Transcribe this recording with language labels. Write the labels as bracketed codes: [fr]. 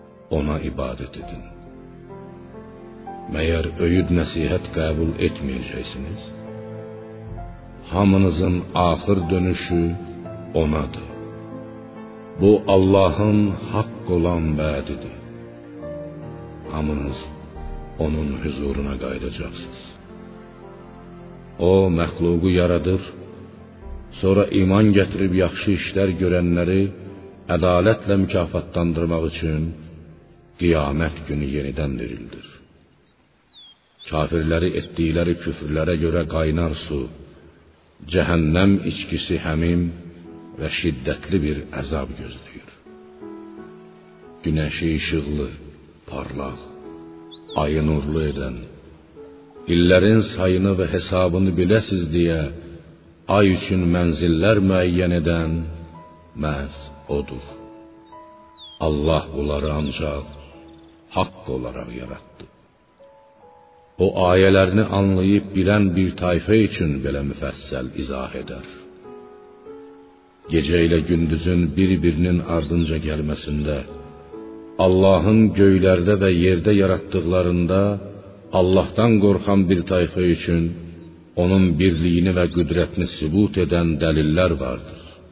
[tr] Ona ibadet edin. Meğer öğüt nasihat kabul etmeyeceksiniz. [az] Hamınızın ahir dönüşü onadır. Bu Allah'ın hak olan vədidir. Hamınız onun huzuruna qayıdacaqsınız. O məxluğu yaradır, sonra iman gətirib yaxşı işlər görənləri ədalətlə mükafatlandırmaq üçün qiyamət günü yenidən dirildir. Kafirləri etdikləri küfrlərə görə qaynar su, cəhənnəm içkisi həmim və şiddətli bir əzab gözləyir. Günəşi işıqlı, parlaq, ayı nurlu edən, illərin sayını və hesabını biləsiz deyə, ay üçün mənzillər müəyyən edən məhz odur. Allah bunları ancaq haqq olaraq yarattı. O ayələrini anlayıb bilən bir tayfa üçün belə müfəssəl izah edər. Gecə ilə gündüzün bir-birinin ardınca gəlməsində, Allahın göylərdə və yerdə yaratdıqlarında Allahdan qorxan bir tayfa üçün onun birliyini və qüdrətini sübut edən dəlillər vardır.